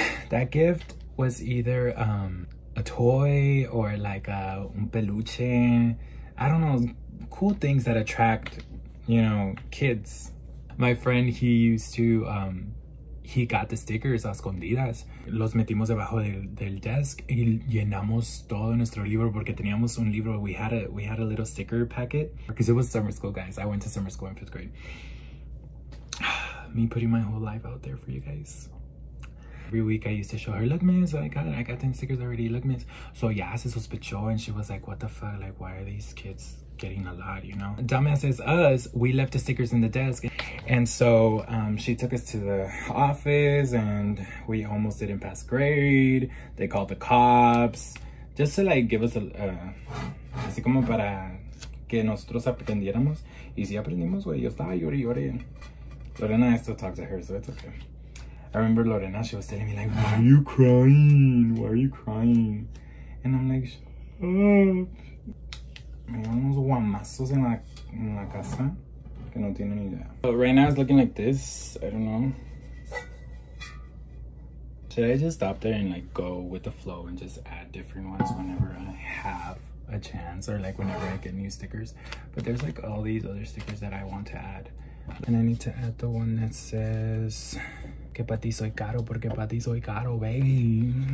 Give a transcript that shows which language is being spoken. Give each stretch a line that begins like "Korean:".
English: That gift was either a toy or like a peluche. I don't know. Cool things that attract, you know, kids. My friend, he used to... he got the stickers
Spanish: a escondidas. Los metimos debajo del desk y llenamos todo nuestro libro porque teníamos un libro.
English: We had a little sticker packet because it was summer school, guys. I went to summer school in fifth grade. Me putting my whole life out there for you guys. Every week I used to show her, look, miss, I got 10 stickers already. Look, miss. So yeah,
Spanish: se sospechó,
English: and she was like, what the fuck? Like, why are these kids getting a lot, you know? Dumbasses us, we left the stickers in the desk. And so she took us to the office and we almost didn't pass grade. They called the cops just to like give us a
Spanish: así como para que nosotros aprendiéramos. Y si aprendimos, güey, yo estaba llore, llore.
English: Lorena, I still talk to her, so it's okay. I remember Lorena, she was telling me like, why are you crying? Why are you crying? And I'm like, shut up.
Spanish: Unos guamazos en la casa que no tienen idea.
English: But right now it's looking like this. I don't know. Should I just stop there and like go with the flow and just add different ones whenever I have a chance or like whenever I get new stickers? But there's like all these other stickers that I want to add. And I need to add the one that says,
Spanish: que pa ti soy caro
English: porque pa ti soy caro, baby.